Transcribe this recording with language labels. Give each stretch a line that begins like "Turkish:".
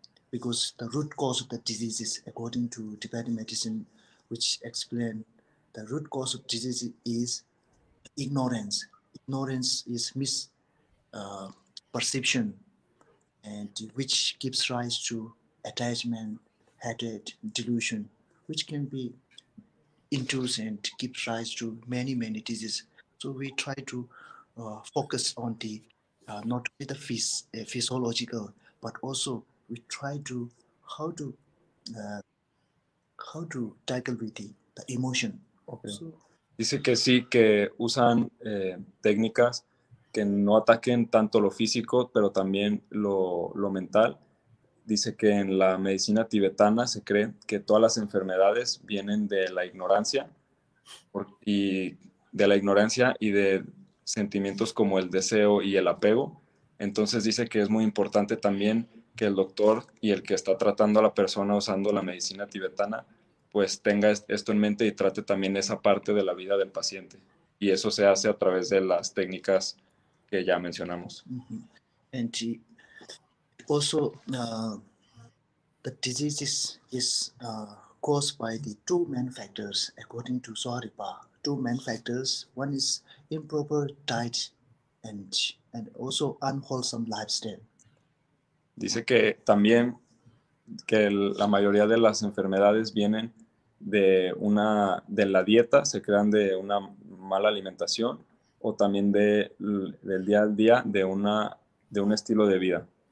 English: because the root cause of the diseases according to Tibetan medicine, which explain the root cause of disease is ignorance is misperception, and which gives rise to attachment, hatred, delusion, which can be induced and gives rise to many, many diseases. So we try to focus on the, not only the physiological, but also we try to how to tackle with the emotion. Okay.
Spanish: Dice que sí, que usan técnicas que no ataquen tanto lo físico, pero también lo mental. Dice que en la medicina tibetana se cree que todas las enfermedades vienen de la ignorancia, y de sentimientos como el deseo y el apego, Entonces dice que es muy importante también que el doctor y el que está tratando a la persona usando la medicina tibetana, pues tenga esto en mente y trate también esa parte de la vida del paciente. Y eso se hace a través de las técnicas que ya mencionamos.
English: And also, the disease is caused by the two main factors, according to Soaripa. Two main factors. One is improper diet and also unwholesome lifestyle.
Spanish: Dice que también que la mayoría de las enfermedades vienen de la dieta, se crean de una mala alimentación o también del día al día de un estilo de vida.